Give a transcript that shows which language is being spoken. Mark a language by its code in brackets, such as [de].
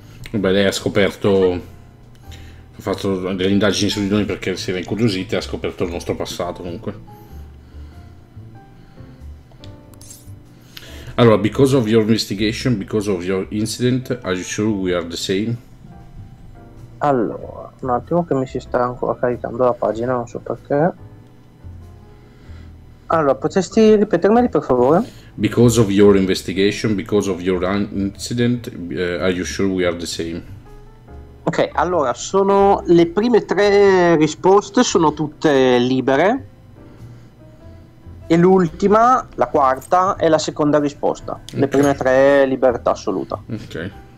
[it] Beh, lei ha scoperto, ha fatto delle indagini su di noi perché si era incuriosita e ha scoperto il nostro passato comunque. [en] Allora, because of your investigation, because of your incident, are you sure we are the same? [it] Allora, un attimo che mi si sta ancora caricando la pagina, non so perché. Allora, potresti ripetermeli per favore? [en] Because of your investigation, because of your incident, are you sure we are the same? [it] Ok, allora, sono le prime tre risposte, sono tutte libere. E l'ultima, la quarta, è la seconda risposta. Okay. Le prime tre, libertà assoluta. Ok.